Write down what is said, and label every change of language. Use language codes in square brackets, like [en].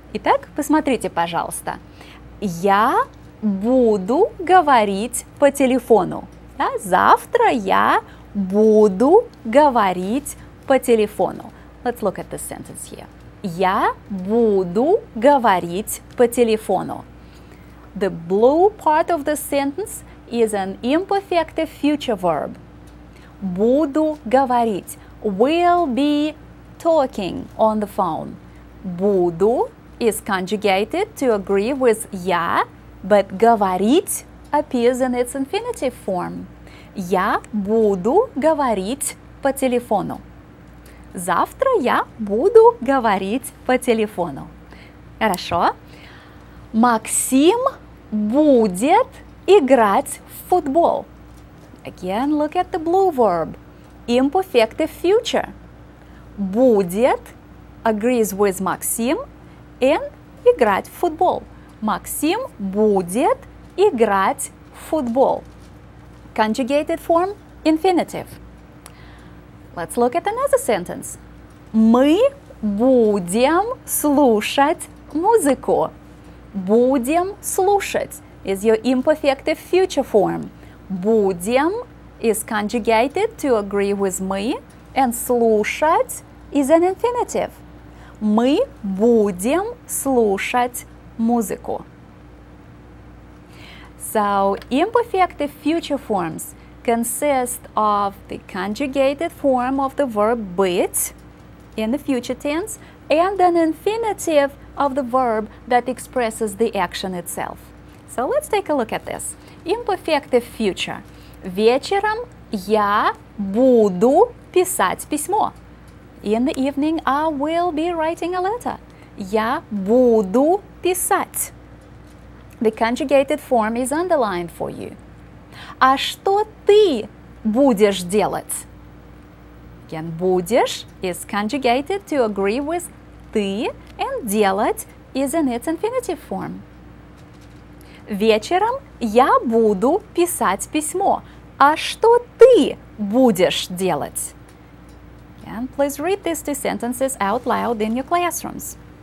[ru] Итак, посмотрите, пожалуйста. Я буду говорить по телефону. Да? Завтра я буду говорить по телефону. [en] Let's look at this sentence here. [ru] Я буду говорить по телефону. [en] The blue part of the sentence is an imperfective future verb. [ru] Буду говорить. [en] Will be talking on the phone. Буду is conjugated to agree with я, but говорить appears in its infinitive form. [ru] Я буду говорить по телефону. Завтра я буду говорить по телефону. Хорошо. Максим будет играть в футбол. [en] Again, look at the blue verb. Imperfective future. Будет agrees with Максим and [ru] играть в футбол. Максим будет играть в футбол. [en] Conjugated form, infinitive. Let's look at another sentence. [ru] Мы будем слушать музыку. Будем слушать [en] is your imperfective future form. Будем is conjugated to agree with мы, and слушать is an infinitive. [ru] Мы будем слушать музыку. [en] So, imperfective future forms consist of the conjugated form of the verb быть in the future tense and an infinitive of the verb that expresses the action itself. So let's take a look at this. Imperfective future. [ru] Вечером я буду писать письмо. [en] In the evening I will be writing a letter. [ru] Я буду писать. [en] The conjugated form is underlined for you. [ru] А что ты будешь делать? [en] Again, будешь is conjugated to agree with ты, and делать is in its infinitive form. [ru] Вечером я буду писать письмо. А что ты будешь делать? [en] Again, please read these two sentences out loud in your classrooms.